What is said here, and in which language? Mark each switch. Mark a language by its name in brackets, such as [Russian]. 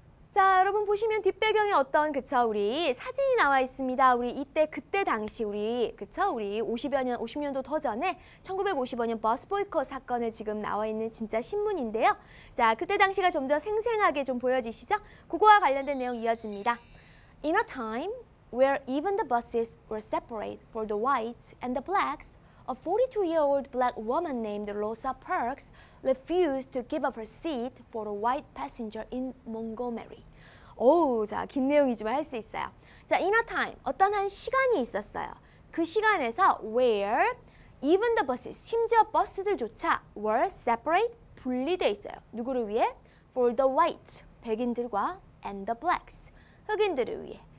[Korean] 자, 여러분 보시면 뒷배경에 어떤 그쵸 우리 사진이 나와 있습니다. 우리 이때 그때 당시 우리 그쵸 우리 50년도 더 전에 1955년 버스 보이콧 사건을 지금 나와 있는 진짜 신문인데요. 자, 그때 당시가 좀 더 생생하게 좀 보여지시죠? 그거와 관련된 내용 이어집니다. [English] In a time where even the buses were separate for the whites and the blacks, a 42-year-old black woman named Rosa Parks refused to give up her seat for a white passenger in Montgomery. [Korean] 오, 자, 긴 내용이지만 할 수 있어요. 자, [English] in a time, [Korean] 어떤 한 시간이 있었어요. 그 시간에서 [English] where even the buses, [Korean] 심지어 버스들조차 [English] were separate, [Korean] 분리돼 있어요. 누구를 위해? [English] For the whites, [Korean] 백인들과 [English] and the blacks, [Korean] 흑인들을 위해.